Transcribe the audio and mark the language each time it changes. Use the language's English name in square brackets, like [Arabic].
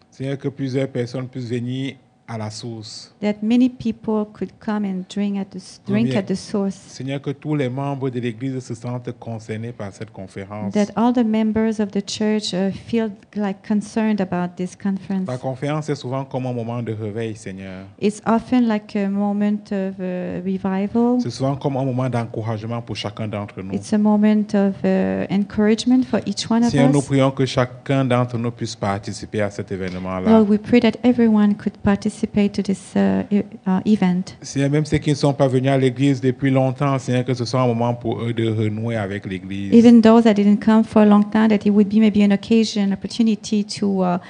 [French] Seigneur, que plusieurs personnes puissent venir à la source. [English] That many people could come and drink at the source. [French] Seigneur, que tous les membres de l'église se sentent concernés par cette conférence. [English] That all the members of the church feel like concerned about this conference. [French] La conférence est souvent comme un moment de réveil, Seigneur. [English] It's often like a moment of revival. [French] C'est souvent comme un moment d'encouragement pour chacun d'entre nous. [English] It's a moment of encouragement for each one of us. [French] Seigneur, nous prions que chacun d'entre nous puisse participer à cet événement-là. [English] Lord, we pray that everyone could participate to this event. [French] Seigneur, même ceux qui ne sont pas venus à l'église depuis longtemps, Seigneur, que ce soit un moment pour eux de renouer avec l'église. [English] Even those that didn't come for a long time, that it would be maybe an occasion, an opportunity to